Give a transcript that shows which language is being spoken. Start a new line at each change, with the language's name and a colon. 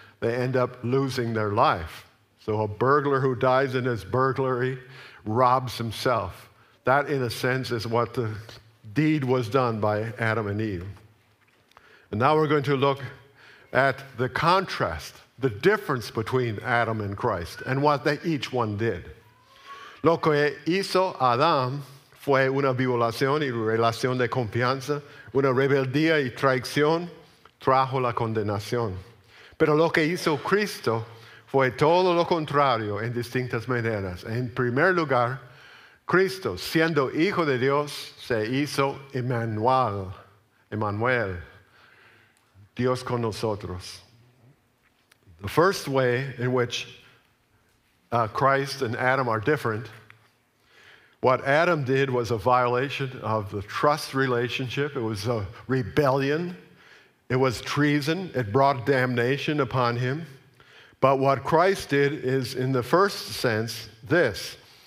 English: They end up losing their life. So a burglar who dies in his burglary robs himself. That, in a sense, is what the deed was done by Adam and Eve. And now we're going to look at the contrast, the difference between Adam and Christ and what they each one did.
Spanish: Lo que hizo Adam fue una violación y relación de confianza, una rebeldía y traición trajo la condenación. Pero lo que hizo Cristo fue todo lo contrario en distintas maneras. En primer lugar, Cristo, siendo Hijo de Dios, se hizo Emmanuel, Emmanuel, Dios con nosotros.
English: The first way in which Christ and Adam are different, what Adam did was a violation of the trust relationship. It was a rebellion. It was treason. It brought damnation upon him. But what Christ did is, in the first sense, this.